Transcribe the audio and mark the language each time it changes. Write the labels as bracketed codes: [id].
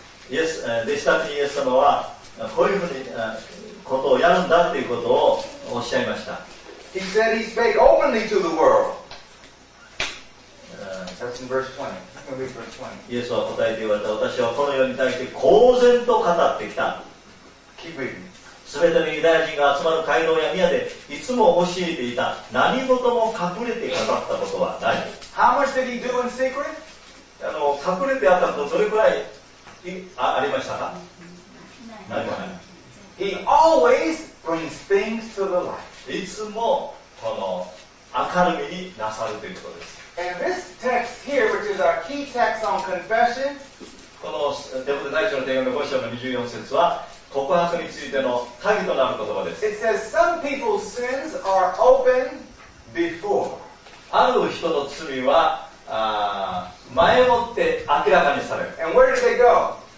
[ja] Yes, 弟子たちにイエス様はこういうふうにことをやるんだということをおっしゃいました。 [en] He said he spake openly to the world. That's in verse 20. [ja] イエスは答えて言われた。私はこの世に対して公然と語ってきた。 [en] Keep reading. [ja] 全てのユダヤ人が集まる街道や宮でいつも教えていた。何事も隠れて語ったことはない。 [en] How much did he do in secret? [ja] 隠れてあったことどれくらい ありましたか？何もない。 [en] He always brings things to the light. [ja] いつもこの明るみになさるということです。 [en] And this text here, which is our key text on confession, [ja] このデモテ第一の手紙の5章の24節は告白についての鍵となる言葉です。 [en] It says some people's sins are open before. [ja] ある人の罪は前もって明らかにされる。 [en] And where did they go?